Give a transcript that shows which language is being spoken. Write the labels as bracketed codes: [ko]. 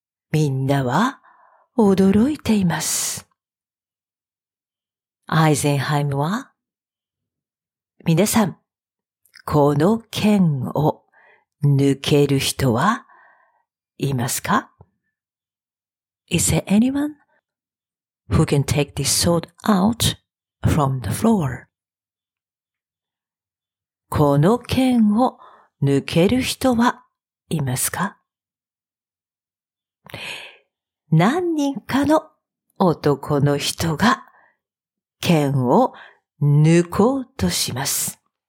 [ja] みんなは驚いています。アイゼンハイムは、皆さん、この剣を抜ける人はいますか？ [en] Is there anyone who can take this sword out from the floor? [ja] この剣を抜ける人はいますか？何人かの男の人が剣を抜こうとします。